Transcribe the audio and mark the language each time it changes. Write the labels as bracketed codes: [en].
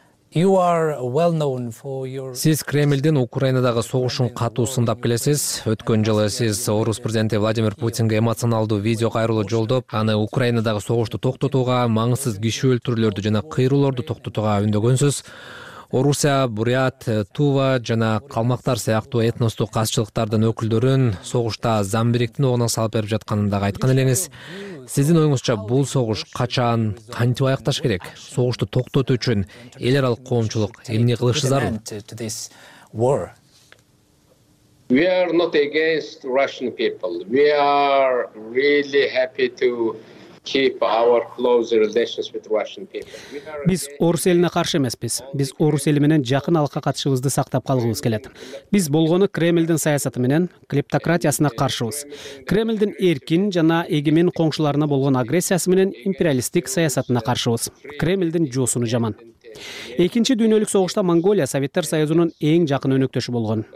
[en] You are well known for your. [ky] Сиз Кремлдин Украинадагы согушун катуу сындап келесиз. Өткөн жылы сиз Орус президенти Владимир Путинге эмоционалдуу видео кайрылуу жолдоп, аны Украинадагы согушту токтотууга, маңызсыз киши өлтүрүүлөрдү жана кыйрылоорду токтотууга үндөгөнсүз. Орусия, Бурят, Тува жана Калмактар сыяктуу этностук азчылыктардын өкүлдөрүн согушта замбириктин огуна салып берип жатканын дагы айткан элеңиз. Сиздин оюңузча бул согуш качан, кантип аякташ керек? Согушту токтотуу үчүн эл аралык коомчулук эмне кылышы зарыл? [en] We are not against Russian people. We are really happy to keep our close relations with Russian people. [ky] Биз орус элине каршы эмеспиз. Биз орус эли менен жакын алакка катышыбызды сактап калгыбыз келет. Биз болгону Кремлдин саясаты менен клептократиясына каршыбыз. Кремлдин эркин жана эгемен коңшуларына болгон агрессиясы менен империалисттик саясатына каршыбыз. Кремлдин жоосуну жаман. Экинчи дүйнөлүк согушта Монголия Советтер Союзунун эң жакын өнөктөшү болгон.